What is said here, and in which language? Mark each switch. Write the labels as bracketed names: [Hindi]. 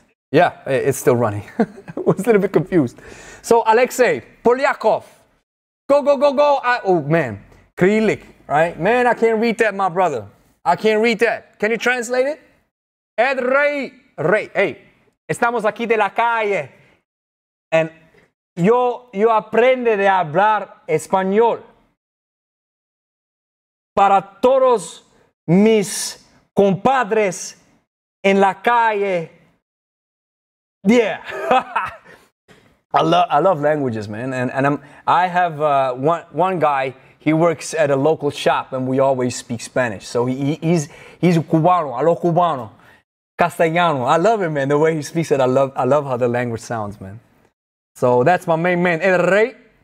[English] Yeah, it's still running. I was a little bit confused. So, Alexei Polyakov. Go, go, go, go. Oh, man. Krylik, right? Man, I can't read that, my brother. I can't read that. Can you translate it? Ed Rey. Rey. Hey. [Spanish] Estamos aquí de la calle. And yo aprende de hablar español. Para todos mis compadres en la calle. [English] Yeah. I love languages, man. And I have one guy, he works at a local shop and we always speak Spanish. So he's Cubano. Alo Cubano. Castellano. I love it, man. The way he speaks it, I love how the language sounds, man. So that's my main man, El Rey.